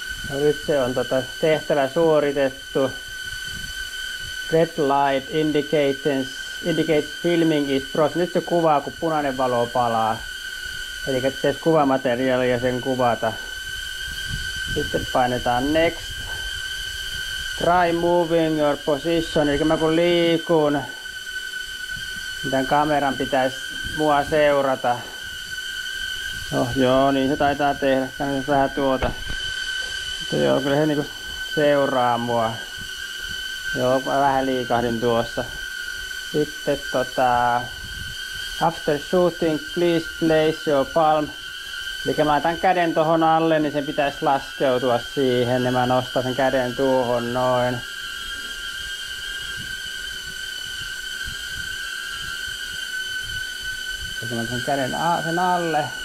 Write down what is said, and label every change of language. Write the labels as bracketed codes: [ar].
[fi] No nyt se on tehtävä suoritettu. [en] Red light indicates filming is processed. [fi] Nyt se kuvaa, kun punainen valo palaa. Eli tees kuvamateriaalia sen kuvata. Sitten painetaan next. [en] Try moving your position, [fi] eli mä kun liikun, tämän kameran pitäisi mua seurata. Oh, joo, niin se taitaa tehdä. Tämä vähän tuota. Mutta joo, kyllä se niinku seuraa mua. Joo, vähän liikahdin tuossa. Sitten tota... [en] After shooting, please place your palm. [fi] Eli mä laitan käden tohon alle, niin sen pitäisi laskeutua siihen. Niin mä nostan sen käden tuohon noin. Sitten sen käden sen alle.